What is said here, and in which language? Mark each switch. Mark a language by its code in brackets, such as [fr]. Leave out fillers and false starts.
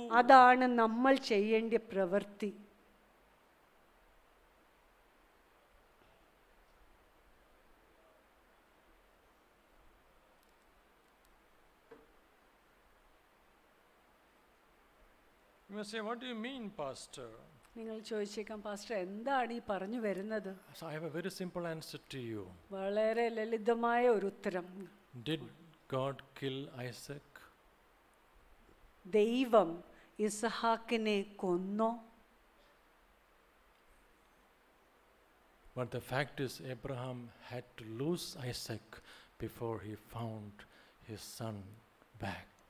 [ml] അതാണ് നമ്മൾ ചെയ്യേണ്ട പ്രവൃത്തി. [en] You may say, what do you mean, pastor? [ml] നിങ്ങൾ ചോദിച്ചേക്കാം, പാസ്റ്റർ എന്താണ് ഈ പറഞ്ഞു വരുന്നത്? [en] So I have a very simple answer to you. [ml] വളരെ ലളിതമായ ഒരു ഉത്തരം. [en] God kill Isaac? [ml] ദൈവം ഇസഹാക്കിനെ കൊന്നു? [en] But the fact is, Abraham had to lose Isaac before he found his son back.